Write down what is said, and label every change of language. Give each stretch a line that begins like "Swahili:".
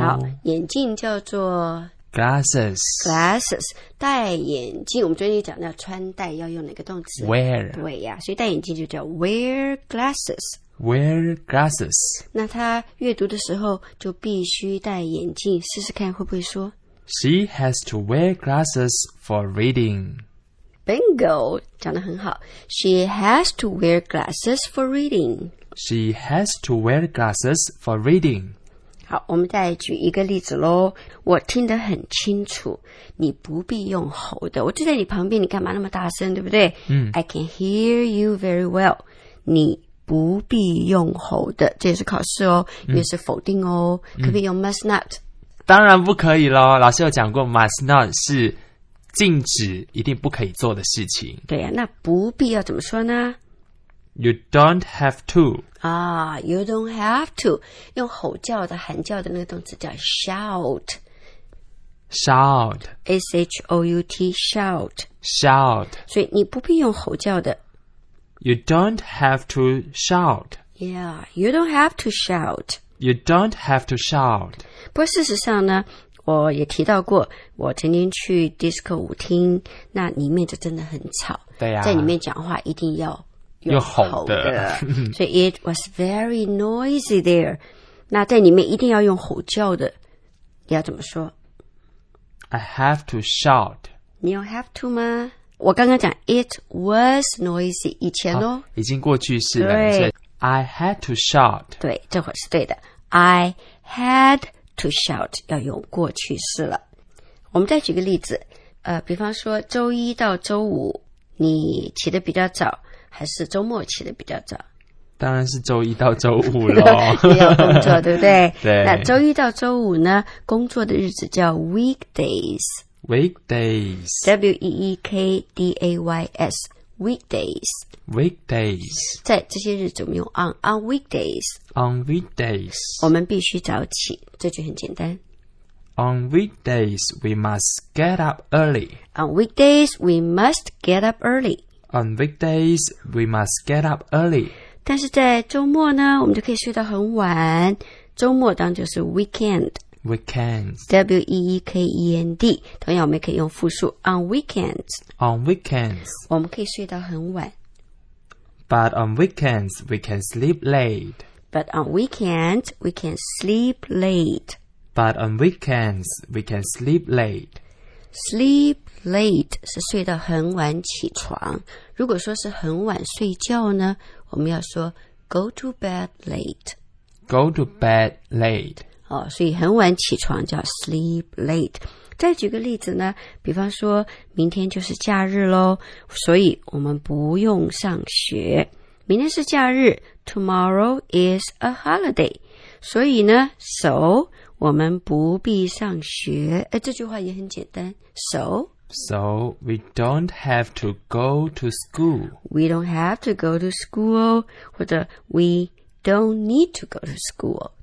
Chinese: 好，眼镜叫做
English: Glasses,
Chinese: 戴眼镜，我们最近讲到穿戴要用哪个动词
English: ？Wear，
Chinese: 对呀，所以戴眼镜就叫 wear glasses。
English: Wear glasses。
Chinese: 那他阅读的时候就必须戴眼镜，试试看会不会说
English: ？She has to wear glasses for reading.
Chinese: Bingo， 讲得很好。
English: She has to wear glasses for reading. She has to wear glasses for reading.
Chinese: 好，我们再举一个例子咯。我听得很清楚，你不必用吼的。我就在你旁边，你干嘛那么大声，对不对？
English: I can hear you very well.
Chinese: 你不必用吼的。这也是考试哦，也是否定哦。可不可以用 must not? 当然不可以咯。老师有讲过 must not 是禁止一定不可以做的事情。对啊，那不必要怎么说呢？
English: You don't have to. Ah, you don't have to.
Chinese: 用吼叫的、喊叫的那个动词叫 shout.
English: Shout. S-H-O-U-T, shout. Shout.
Chinese: 所以你不必用吼叫的。
English: You don't have to shout. Yeah, you don't have to shout. You don't have to shout.
Chinese: 不过事实上呢，我也提到过，我曾经去 disco 舞厅，那里面就真的很吵。对呀、在里面讲话一定要用吼的，
English: 所以 it was very noisy there.
Chinese: 那在里面一定要用吼叫的，你要怎么说？
English: I have to shout.
Chinese: 你有 have to 吗？我刚刚讲 it was noisy 以前咯、已经过去式了。
English: I had to shout.
Chinese: 对，这会是对的。
English: I had to shout
Chinese: 要用过去式了。我们再举个例子，比方说周一到周五你起得比较早，还是周末起的比较早？当然是周一到周五喽。要工作，对不对？对。那周一到周五呢？工作的日子叫 weekdays。
English: weekdays。 W-E-E-K-D-A-Y-S weekdays。 weekdays。
Chinese: 在这些日子，我们用 on weekdays。
English: on weekdays。
Chinese: 我们必须早起，这句很简单。
English: On weekdays, we must get up early. On weekdays, we must get up early. On weekdays, we must get up early.
Chinese: 但是在周末呢，我们就可以睡到很晚。周末当然就是 weekend.
English: Weekends. W-E-E-K-E-N-D.
Chinese: 同样我们也可以用复数 on weekends.
English: On weekends.
Chinese: 我们可以睡到很晚。
English: But on weekends, we can sleep late. But on weekends, we can sleep late. But on weekends, we can sleep late.
Chinese: Sleep late 是睡到很晚起床。如果说是很晚睡觉呢，我们要说
English: go to bed late. Go to bed late.
Chinese: 哦，所以很晚起床叫 sleep late. 再举个例子呢，比方说明天就是假日咯，所以我们不用上学。明天是假日，
English: tomorrow is a holiday.
Chinese: 所以呢， so... 我们不必上学。这句话也很简单。So,
English: we don't have to go to school. We don't have to go to school.
Chinese: 或者
English: we don't need to go to school.